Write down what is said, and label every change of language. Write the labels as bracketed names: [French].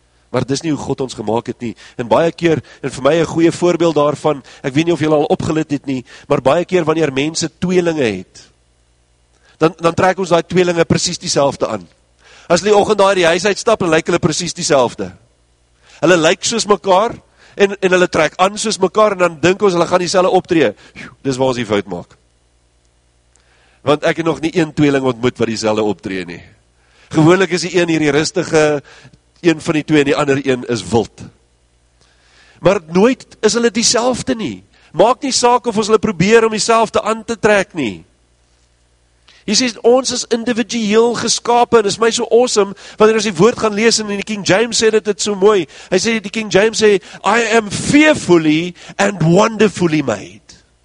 [Afrikaans] Maar dis nie hoe God ons gemaakt het nie. En baie keer, en vir my 'n goeie voorbeeld daarvan, ek weet nie of julle al opgelet het nie, maar baie keer wanneer mense tweelinge het, dan trek ons daai tweelinge precies dieselfde aan. As die oggend daar die huis uitstap, dan lyk hulle precies dieselfde. Hulle lyk soos mekaar, en hulle trek aan soos mekaar, en dan dink ons, hulle gaan dieselfde optree. Dis waar ons die fout maak. Want ek het nog nie een tweeling ontmoet, wat dieselfde optree nie. Gewoonlik is die een hier die rustige, een van die twee, en die ander een is wild. Maar nooit is hulle dieselfde nie. Maak nie saak of ons hulle probeer om dieselfde aan te trek nie. Jy sê, ons is individueel geskapen, en is my so awesome, wanneer ons die woord gaan lees, en die King James sê dit so mooi, hy sê, die King James sê, [English] I am fearfully and wonderfully made.